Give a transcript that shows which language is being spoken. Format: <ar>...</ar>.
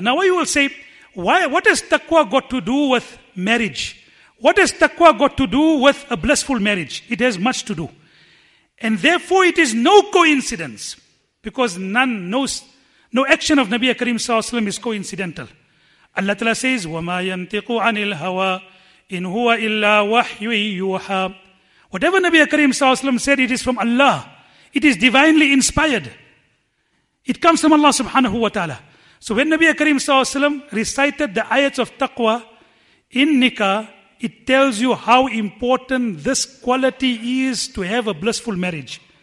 <en>Now you will say, what has taqwa got to do with marriage? What has taqwa got to do with a blissful marriage? It has much to do. And therefore it is no coincidence, because no action of Nabi Karim sallallahu alaihi wasallam is coincidental. Allah Ta'ala says,</en> <ar>وَمَا يَنْتِقُ عَنِ الْهَوَىٰ إِنْ هُوَ إِلَّا وَحْيُّهِ يُوحَىٰ.</ar> <en>Whatever Nabi Karim sallallahu alaihi wasallam said, it is from Allah. It is divinely inspired. It comes from Allah subhanahu wa ta'ala. So when Nabi Karim sallallahu alaihi wasallam recited the ayats of taqwa in nikah, it tells you how important this quality is to have a blissful marriage.</en>